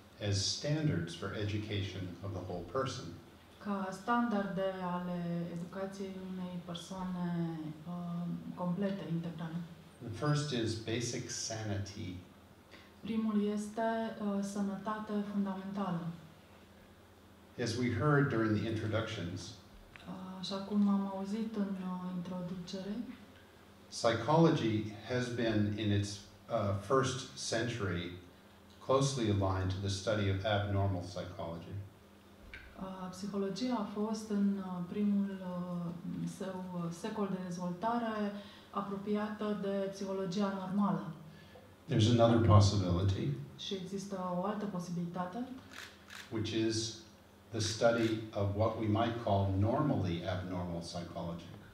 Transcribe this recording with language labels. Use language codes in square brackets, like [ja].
[en] As standards for education of the whole person. [ro] Ca standarde ale educației unei persoane complete, integrale. [en] The first is basic sanity. [ro] Primul este sănătate fundamentală. [en] As we heard during the introductions, [ro] așa cum am auzit în introducere, [en] psychology has been in its first century closely aligned to the study of abnormal psychology. [ro] Psihologia a fost în primul său secol de dezvoltare apropiată de psihologia normală. [en] There's another possibility. [ro] Și există o altă posibilitate. [en] Which is the study of what we might call normally abnormal psychology.